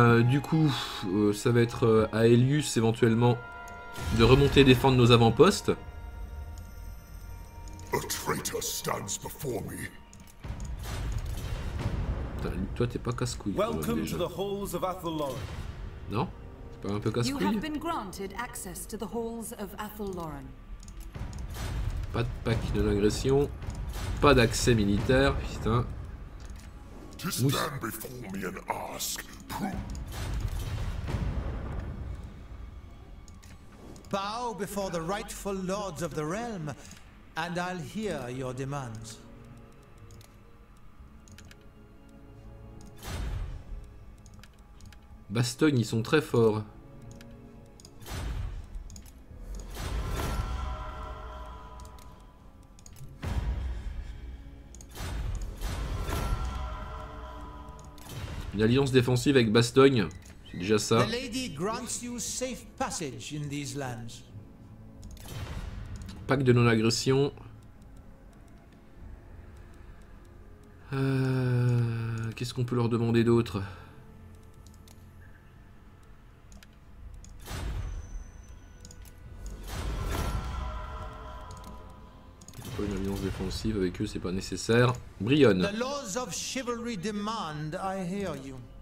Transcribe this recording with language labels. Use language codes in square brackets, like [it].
[fr] Du coup, ça va être à Elius éventuellement de remonter et défendre nos avant-postes. [en] A traitor stands before me. [fr] Attends, toi, t'es pas casse-couille. [en] Welcome to the halls of Athelloran. [fr] Non? T'es pas un peu casse-couille? [en] You have been granted access to the halls of Athelloran. [fr] Pas de pack de l'agression. Pas d'accès militaire, putain. [en] To stand before me and ask. Bow before the rightful lords of the realm, and I'll hear your demands. [fr] Bastogne, ils sont très forts. Une alliance défensive avec Bastogne, c'est déjà ça. [en] The lady grants you safe passage in these lands. [fr] Pacte de non-agression. Qu'est-ce qu'on peut leur demander d'autre? Une alliance défensive avec eux, c'est pas nécessaire. Brionne. [en] The laws of chivalry demand I hear you.